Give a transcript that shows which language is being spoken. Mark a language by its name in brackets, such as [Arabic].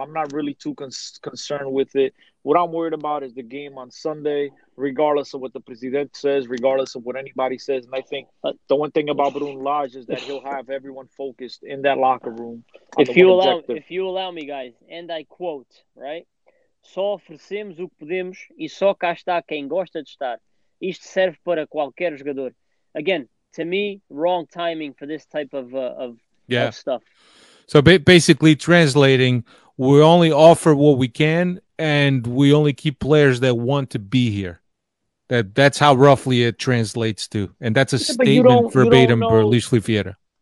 [English] I'm not really too concerned with it. What I'm worried about is the game on Sunday, regardless of what the president says, regardless of what anybody says. And I think the one thing about Bruno Lage is that he'll have everyone focused in that locker room. If you allow me, guys, and I quote, right? [Portuguese] Só oferecemos o que podemos e só cá está quem gosta de estar. Isto serve para qualquer jogador. [English] Again, to me, wrong timing for this type of stuff. So basically translating, we only offer what we can and we only keep players that want to be here. That's how roughly it translates to. And that's a statement verbatim for Luis Vieira.